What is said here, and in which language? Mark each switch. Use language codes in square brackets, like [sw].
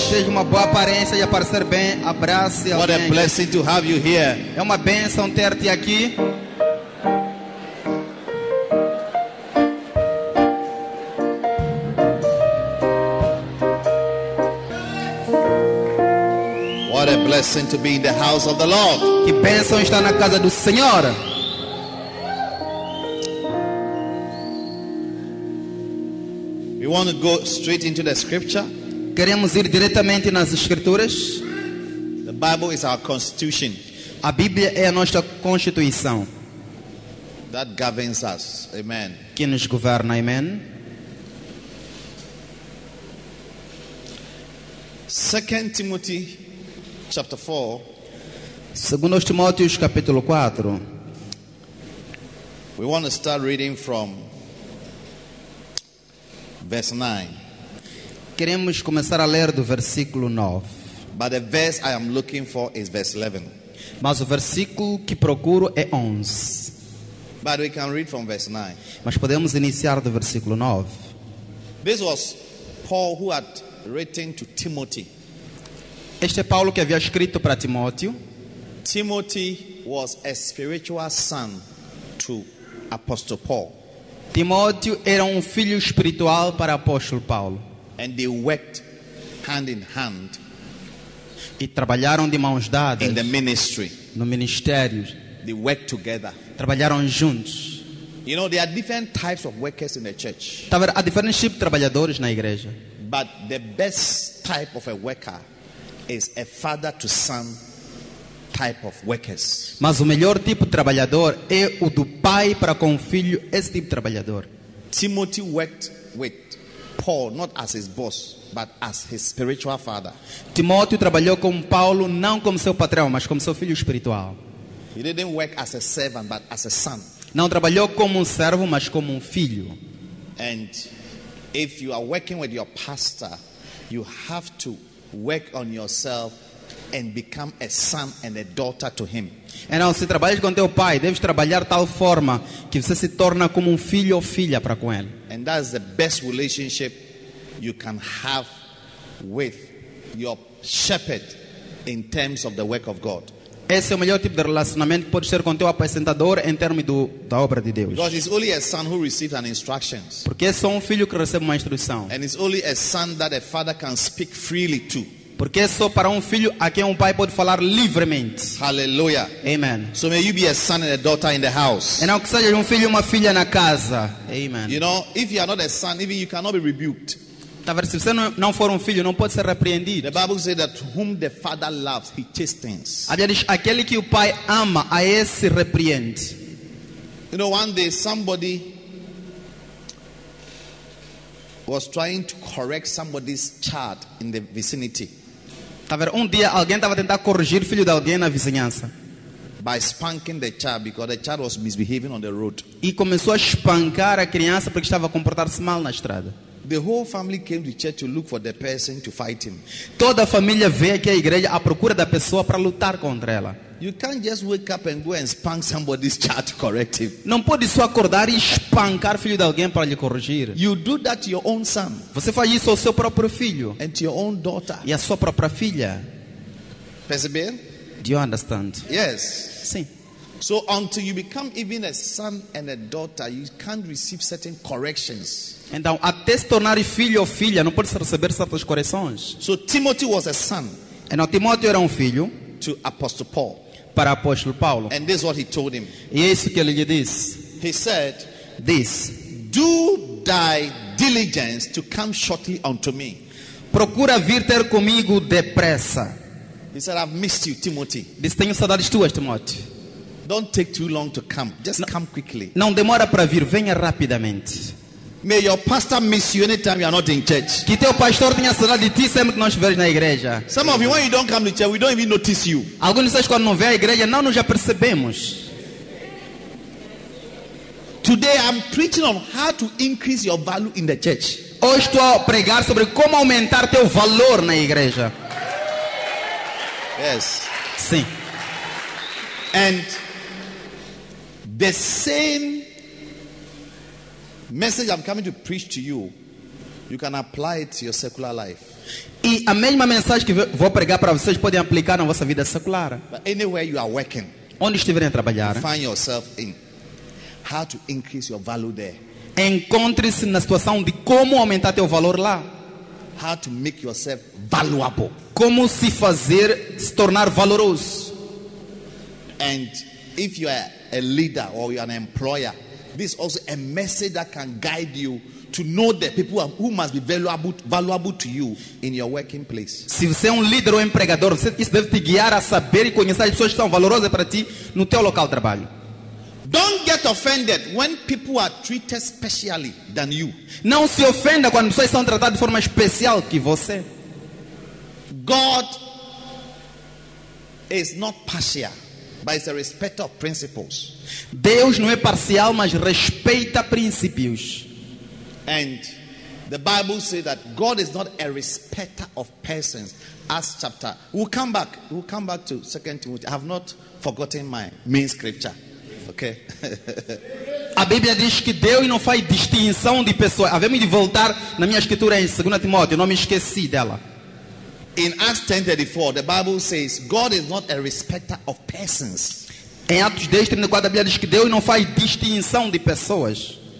[pt] Seja uma boa aparência e aparecer bem. Abrace alguém. [en] What a blessing to have you here. [pt] É uma bênção ter-te aqui. [en] blessing to be in the house of the Lord. [pt] Que bênção estar na casa do Senhor. [en] We want to go straight into the scripture. [pt] Queremos ir diretamente nas escrituras. [en] The Bible is our constitution. [pt] A Bíblia é a nossa constituição. [en] That governs us. Amen. [pt] Que nos governa. Amen. [en] 2 Timothy chapter 4. [pt] 2 Timóteo capítulo 4. [en] We want to start reading from verse 9. [pt] Queremos começar a ler do versículo 9. [en] But the verse I am looking for is verse 11. [pt] Mas o versículo que procuro é 11. [en] But we can read from verse 9. [pt] Mas podemos iniciar do versículo 9. [en] This was Paul who had written to Timothy. [pt] Este é Paulo que havia escrito para Timóteo. [en] Timothy was a spiritual son to Apostle Paul. [pt] Timóteo era um filho espiritual para Apóstolo Paulo. [en] And they worked hand in hand. [pt] E trabalharam de mãos dadas. [en] In the ministry. [pt] No ministério. [en] They worked together. [pt] Trabalharam juntos. [en] You know, there are different types of workers in the church. [pt] Há diferentes tipos de trabalhadores na igreja. [en] But the best type of a worker is a father to son type of workers. [pt] Mas o melhor tipo de trabalhador é o do pai para com o filho, esse tipo de trabalhador. [en] Timothy worked with Paul not as his boss, but as his spiritual father. [pt] Timóteo trabalhou com Paulo não como seu patrão, mas como seu filho espiritual. [en] He didn't work as a servant, but as a son. [pt] Não trabalhou como servo, mas como filho. [en] And if you are working with your pastor, you have to work on yourself and become a son and a daughter to him. [pt] E não, se trabalhas com teu pai, deves trabalhar tal forma que você se torna como filho ou filha para com ele. [en] And that's the best relationship you can have with your shepherd in terms of the work of God. [pt] Esse é o melhor tipo de relacionamento que pode ser com teu apacentador em termos da obra de Deus. [en] Because it's only a son who receives an instruction. [pt] Porque é só filho que recebe uma instrução. [en] And it's only a son that a father can speak freely to. [pt] Porque é só para filho a quem pai pode falar livremente. [en] Hallelujah. Amen. So may you be a son and a daughter in the house. [pt] E não que seja filho e uma filha na casa. [en] Amen. You know, if you are not a son, even you cannot be rebuked. [pt] Talvez se você não for filho, não pode ser repreendido. [en] The Bible says that whom the father loves, he chastens. [pt] Aliás, aquele que o pai ama, a esse repreende. [en] You know, one day somebody was trying to correct somebody's child in the vicinity. [pt] Talvez dia alguém estava tentando corrigir filho de alguém na vizinhança. [en] By spanking the child because the child was misbehaving on the road. [pt] E começou a espancar a criança porque estava a comportar-se mal na estrada. [en] The whole family came to church to look for the person to fight him. [pt] Toda a família veio aqui à igreja à procura da pessoa para lutar contra ela. [en] You can't just wake up and go and spank somebody's child to correct him. [pt] Não pode só acordar e espancar filho de alguém para lhe corrigir. [en] You do that to your own son. [pt] Você faz isso ao seu próprio filho. [en] And to your own daughter. [pt] E à sua própria filha. Perceber? [en] Do you understand? Yes. [pt] Sim. [en] So until you become even a son and a daughter, you can't receive certain corrections. [pt] Então, até se tornar filho ou filha, não pode receber certas correções. [en] So Timothy was a son. [pt] Então, Timóteo era filho. [en] To Apostle Paul. [pt] Para Apóstolo Paulo. [en] And this is what he told him. [pt] E é isso que ele lhe disse. [en] He said, this. Do thy diligence to come shortly unto me. [pt] Procura vir ter comigo depressa. [en] He said, I've missed you, Timothy. [pt] Disse, tenho saudades tuas, Timóteo. [en] Don't take too long to come. Just come quickly. [pt] Não demora para vir, venha rapidamente. [en] May your pastor miss you anytime you are not in church. [pt] Que teu pastor tenha saudade de ti sempre que não estiver na igreja. [en] Some of you, when you don't come to church, we don't even notice you. [pt] Alguns de vocês quando não vêm à igreja, não nos apercebemos. [en] Today I'm preaching on how to increase your value in the church. [pt] Hoje estou a pregar sobre como aumentar teu valor na igreja. [en] Yes. [pt] Sim. [en] And the same message I'm coming to preach to you, you can apply it to your secular life. [pt] E a mesma mensagem que vou pregar para vocês pode aplicar na vossa vida secular. [en] But anywhere you are working, [pt] onde estiverem a trabalhar, [en] find yourself in how to increase your value there. [pt] Encontre-se na situação de como aumentar teu valor lá. [en] How to make yourself valuable. [pt] Como se fazer se tornar valoroso. [en] And if you are a leader or you are an employer, this is also a message that can guide you to know the people who must be valuable to you in your working place. [pt] Se você é líder ou empregador, isso deve te guiar a saber e conhecer as pessoas que são valorosas para ti no teu local de trabalho. [en] Don't get offended when people are treated specially than you. [pt] Não se ofenda quando as pessoas são tratadas de forma especial que você. [en] God is not partial, but it's a respecter of principles. [pt] Deus não é parcial, mas respeita princípios. [en] And the Bible says that God is not a respecter of persons. Acts chapter. We'll come back to 2 Timothy. I have not forgotten my main scripture. Okay. [pt] A Bíblia diz que Deus não faz distinção de pessoas. Havemos de voltar na minha escritura em 2 Timóteo. Não me esqueci dela. [en] In Acts 10:34, the Bible says God is not a respecter of persons. [pt] Em Atos 10:34, a Bíblia diz que Deus não faz distinção de pessoas.